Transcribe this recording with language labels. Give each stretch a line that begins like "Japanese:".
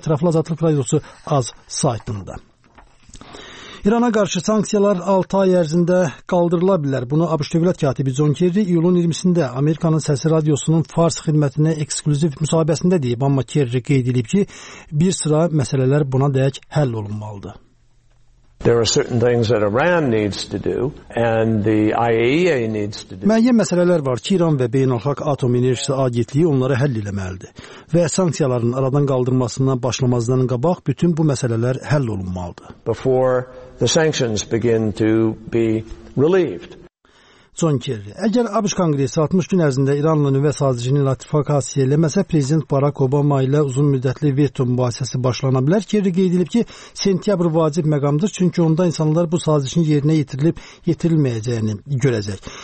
Azerbaijani: Ətraflı Azadlıq Radiosu az saytında. İrana qarşı sanksiyalar 6 ay ərzində qaldırıla bilər. Bunu ABŞ Dövlət Katibi John Kerry iyulun 20-sində Amerikanın Səsi Radiosunun Fars xidmətinə eksklüziv müsahibəsində deyib. Amma Kerry qeyd edib ki, bir sıra məsələlər buna dəyək həll olunmalıdır.
English: There are certain things that Iran needs to do and the IAEA needs to do.
Azerbaijani: Müəyyən məsələlər var ki, İran və Beynəlxalq Atom Enerjisi Agentliyi onları həll etməlidir. Və sanksiyaların aradan qaldırılmasından başlamazdan qabaq bütün bu məsələlər həll olunmalıdır.
English: Before the sanctions begin to be relieved.
Azerbaijani: John Kerry, əgər ABŞ Konqresi 60 gün ərzində İranla nüvə sazişini ratifikasiya eləməsə, Prezident Barack Obama ilə uzun müddətli veto mübahisəsi başlana bilər. Kerry qeyd edib ki, sentyabr vacib məqamdır, çünki onda insanlar bu sazişin yerinə yetirilib yetirilməyəcəyini görəcək.